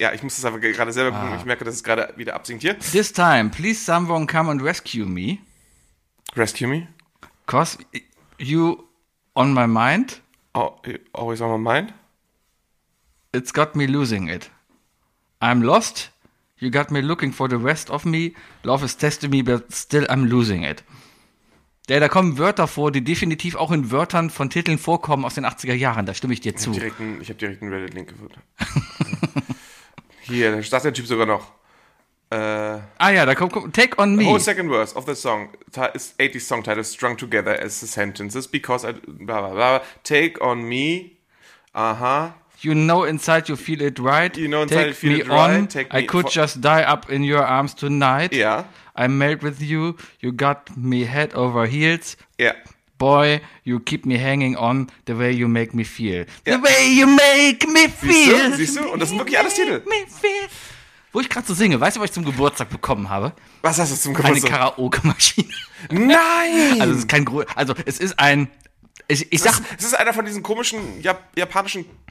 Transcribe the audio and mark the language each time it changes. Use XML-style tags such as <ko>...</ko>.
<de>Ja, ich muss das aber gerade selber gucken. Ich merke, dass es gerade wieder absinkt hier.</de> <en>This time, please someone come and rescue me. Rescue me? Cause you... On my mind. Oh, always on my mind. It's got me losing it. I'm lost. You got me looking for the rest of me. Love is testing me, but still I'm losing it.</en> <de>Da kommen Wörter vor, die definitiv auch in Wörtern von Titeln vorkommen aus den 80er Jahren. Da stimme ich dir zu. Ich habe direkt einen Reddit-Link gefunden. Hier, da sagt der Typ sogar noch. Da kommt Take on Me.</de> <en>The whole second verse of the song is 80s song title strung together as the sentences because I. Blah, blah, blah, take on me. You know inside you feel it right. You know inside take you feel me it on. Right. Take I me could just die up in your arms tonight. Yeah. I melt with you. You got me head over heels. Yeah. Boy, you keep me hanging on the way you make me feel. Yeah. The way you make me feel.</en> <de>Siehst du? Und das sind wirklich alles Titel.</de> <en>Me feel.</en> <de>Wo ich gerade so singe, weißt du, was ich zum Geburtstag bekommen habe? Was hast du zum Geburtstag? Eine Karaoke-Maschine. Nein! Also, es ist ein. Es ist einer von diesen komischen japanischen</de>